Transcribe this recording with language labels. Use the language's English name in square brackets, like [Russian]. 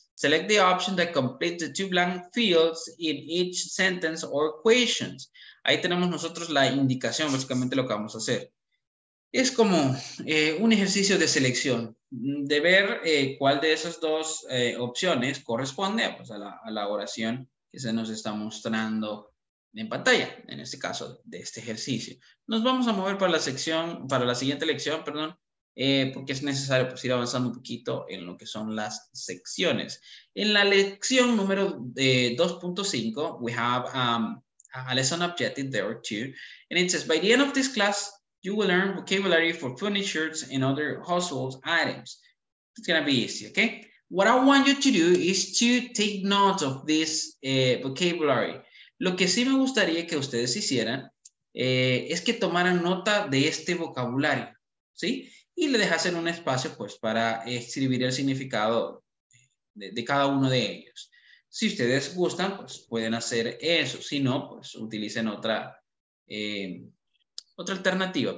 [English] Select the option that completes the two blank fields in each sentence or questions. [Spanish] Ahí tenemos nosotros la indicación, básicamente lo que vamos a hacer. Es como un ejercicio de selección, de ver cuál de esas dos opciones corresponde pues, a la oración que se nos está mostrando en pantalla, en este caso de este ejercicio. Nos vamos a mover para la siguiente lección, porque es necesario pues, ir avanzando un poquito en lo que son las secciones. En la lección número 2.5, [English] we have a lesson objective there too, and it says, by the end of this class, you will learn vocabulary for furniture and other household items. It's gonna be easy, okay? What I want you to do is to take note of this vocabulary. [Spanish] Lo que sí me gustaría que ustedes hicieran es que tomaran nota de este vocabulario, ¿sí? Y le dejasen un espacio pues para escribir el significado de cada uno de ellos. Si ustedes gustan, pues pueden hacer eso. Si no, pues utilicen otra alternativa.